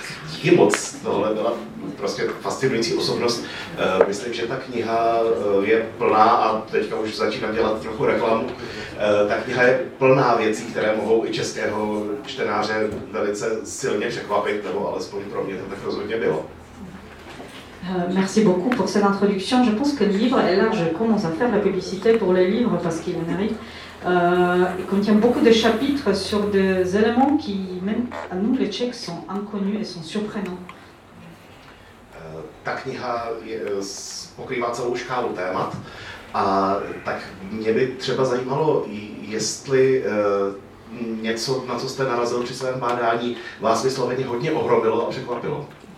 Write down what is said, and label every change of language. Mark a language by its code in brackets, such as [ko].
[cs] Díky moc, tohle byla prostě fascinující osobnost. Myslím, že ta kniha je plná, a teďka už začínám dělat trochu reklamu, ta kniha je plná věcí, které mohou i českého čtenáře velice silně překvapit, nebo alespoň pro mě to tak rozhodně bylo. [fr] Merci beaucoup pour cette introduction. Je pense que le livre est large. Comment ça faire la publicité pour les livres, parce qu'il en mérite. Il contient beaucoup de chapitres sur des éléments qui, même à nous les Tchèques, sont inconnus et sont surprenants. [cs] Ta kniha pokrývá celou škálu témat, a tak mě by třeba zajímalo, jestli něco, na co jste narazil při svém bádání, vás vysloveně hodně ohromilo a překvapilo.